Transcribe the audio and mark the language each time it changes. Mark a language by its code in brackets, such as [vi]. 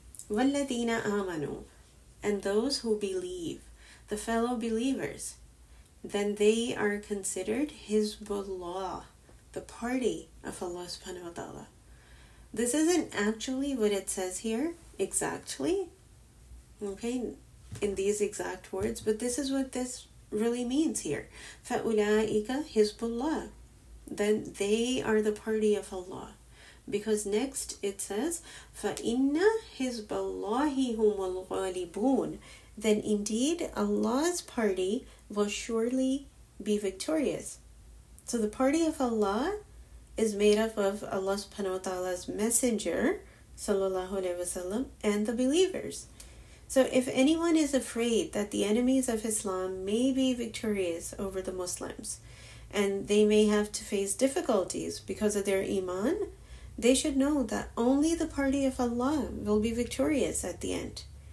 [ar] وَالَّذِينَ آمَنُوا, [en] and those who believe, the fellow believers, then they are considered Hizbullah, the party of Allah subhanahu wa ta'ala. This isn't actually what it says here, exactly, okay, in these exact words, but this is what this really means here. [ar] فَأُولَٰئِكَ [en] Hizbullah. Then they are the party of Allah. Because next it says, [ar] فَإِنَّ حِزْبَ اللَّهِ هُمُ الْغَالِبُونَ. [en] Then indeed Allah's party will surely be victorious. So the party of Allah is made up of Allah subhanahu wa ta'ala's messenger, sallallahu alayhi wa sallam, and the believers. So if anyone is afraid that the enemies of Islam may be victorious over the Muslims, and they may have to face difficulties because of their iman, they should know that only the party of Allah will be victorious at the end.